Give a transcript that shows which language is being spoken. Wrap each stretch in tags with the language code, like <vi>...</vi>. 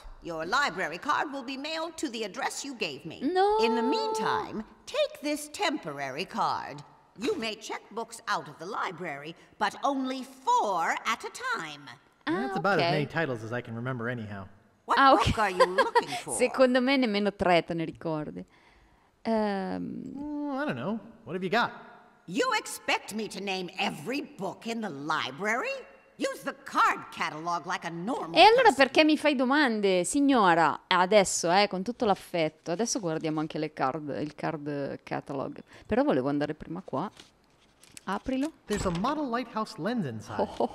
<en>Your library card will be mailed to the address you gave me. No. In the meantime, take this temporary card. You may check books out of the library, but only four at a time. Ah, okay. About as many titles as I can remember anyhow. What ah, book okay. are you looking for?</en> <it>Secondo me nemmeno tre te ne ricordi.</it> <en>I don't know. What have you got? You expect me to name every book in the library? Use the card catalog like a normal</en> <it>E allora perché mi fai domande, signora? Adesso, con tutto l'affetto. Adesso guardiamo anche le card, il card catalog. Però volevo andare prima qua. Aprilo.</it> <en>There's a model lighthouse lens inside.</en>